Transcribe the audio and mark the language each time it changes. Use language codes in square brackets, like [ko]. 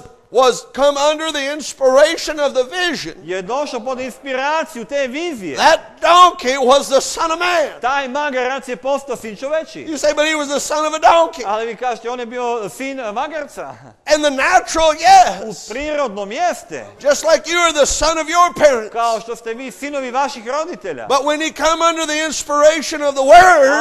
[en] Was come under the inspiration of the vision. [sr] Je došao pod inspiraciju te vizije. [en] That donkey was the Son of Man. [sr] Taj magarac je postao sin čoveči. [en] You say, but he was the son of a donkey. [sr] Ali vi kažete, on je bio sin magarca. [en] And the natural, yes. [sr] U prirodnom jeste. [en] Just like you are the son of your parents. [sr] Kao što ste vi sinovi vaših roditelja. [en] But when he come under the inspiration of the word.